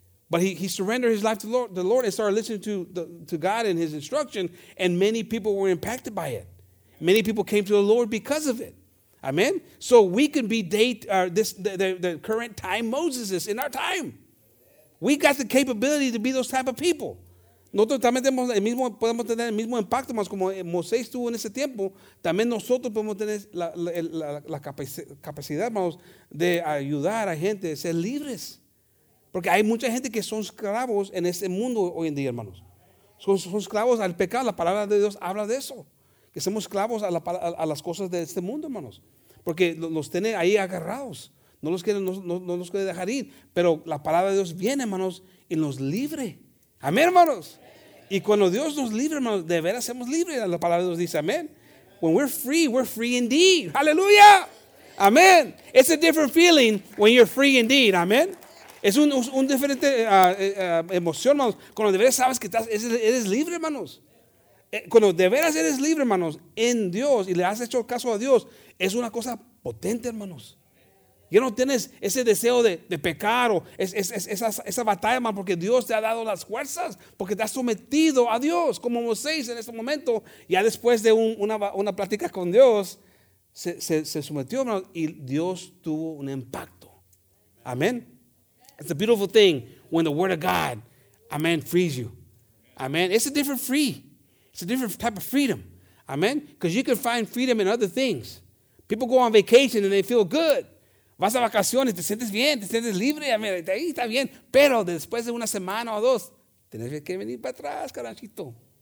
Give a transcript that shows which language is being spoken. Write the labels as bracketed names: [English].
[English] But he surrendered his life to the Lord and started listening to God and his instruction, and many people were impacted by it. Many people came to the Lord because of it. Amen? So we can be the current time Moseses in our time. We got the capability to be those type of people. [Spanish] Nosotros también podemos tener el mismo impacto, más como Moisés tuvo en ese tiempo, también nosotros podemos tener la capacidad, más de ayudar a gente a ser libres. Porque hay mucha gente que son esclavos en este mundo hoy en día, hermanos. Son esclavos al pecado. La palabra de Dios habla de eso. Que somos esclavos a las cosas de este mundo, hermanos. Porque los tiene ahí agarrados. No los quiere dejar ir. Pero la palabra de Dios viene, hermanos, y nos libre. Amén, hermanos. Y cuando Dios nos libre, hermanos, de veras somos libres. La palabra de Dios dice amén. [English] When we're free indeed. [Spanish] Aleluya. Amén. [English] It's a different feeling when you're free indeed. [Spanish] Amén. Es un diferente emoción, hermanos. Cuando de veras sabes que eres libre, hermanos. Cuando de veras eres libre, hermanos, en Dios y le has hecho caso a Dios, es una cosa potente, hermanos. Ya no tienes ese deseo de pecar o esa batalla, hermano, porque Dios te ha dado las fuerzas, porque te has sometido a Dios, como Moisés en este momento. Ya después de una plática con Dios, se sometió, hermano, y Dios tuvo un impacto. Amén. [English] It's a beautiful thing when the word of God, amen, frees you. Amen. It's a different free. It's a different type of freedom. Amen. Because you can find freedom in other things. People go on vacation and they feel good. [Spanish] Vas a vacaciones, te sientes bien, te sientes libre. Amen. Ahí está bien. Pero después de una semana o dos, tienes que venir para atrás, caranchito.